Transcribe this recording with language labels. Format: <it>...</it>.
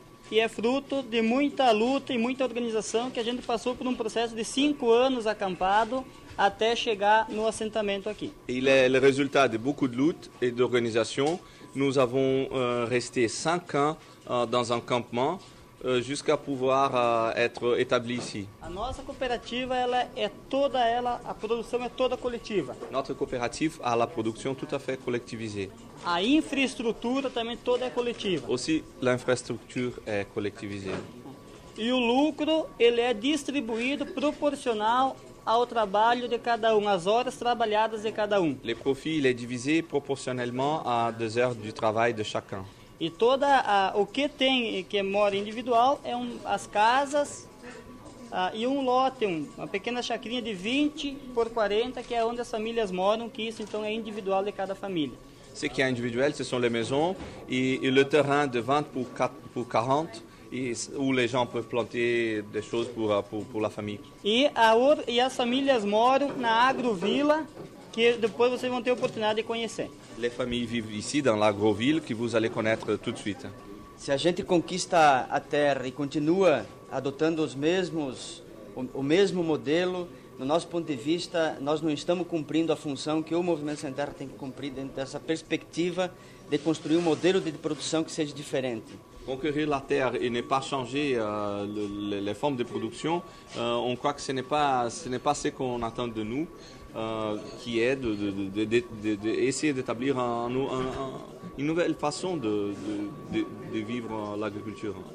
<pt>E é fruto de muita luta e muita organização que a gente passou por um processo de 5 anos acampado. Até chegar no assentamento aqui.</pt> <fr>Il est le résultat de beaucoup de luttes et d'organisations. Nous avons resté 5 ans dans un campement jusqu'à pouvoir être établi ici.</fr> <pt>A nossa cooperativa, ela é toda ela, a produção é toda coletiva.</pt> <fr>Notre coopérative a la production tout à fait collectivisée.</fr> <pt>A infraestrutura também toda é coletiva.</pt> <fr>Aussi l'infrastructure est collectivisée.</fr> <pt>E o lucro, ele é distribuído proporcional ao trabalho de cada um, às horas trabalhadas de cada um.</pt> <fr>Le profit, il est divisé proportionnellement à des heures du travail de chacun.</fr> <pt>E toda o que tem que mora individual é as casas e um lote, uma pequena chacrinha de 20 por 40, que é onde as famílias moram, que isso então é individual de cada família.</pt> <fr>Ce qui est individuel, ce sont les maisons et le terrain de 20 pour, 4, pour 40 et, où les gens peuvent planter des choses pour la famille.</fr> <pt>Et as famílias moram na Agrovila, que depois vocês vão ter oportunidade de conhecer.</pt> <fr>Les familles vivent ici dans l'Agrovila, que vous allez connaître tout de suite.</fr> <pt>Se a gente conquista a terra e continua adotando os mesmos o mesmo modelo, no nosso ponto de vista, nós não estamos cumprindo a função que o Movimento Sem Terra tem que cumprir dentro dessa perspectiva de construir um modelo de produção que seja diferente.</pt> <fr>Conquérir la terre et ne pas changer les formes de production, on croit que ce n'est pas ce qu'on attend de nous, qui est d'essayer d'établir une nouvelle façon de vivre l'agriculture.</fr>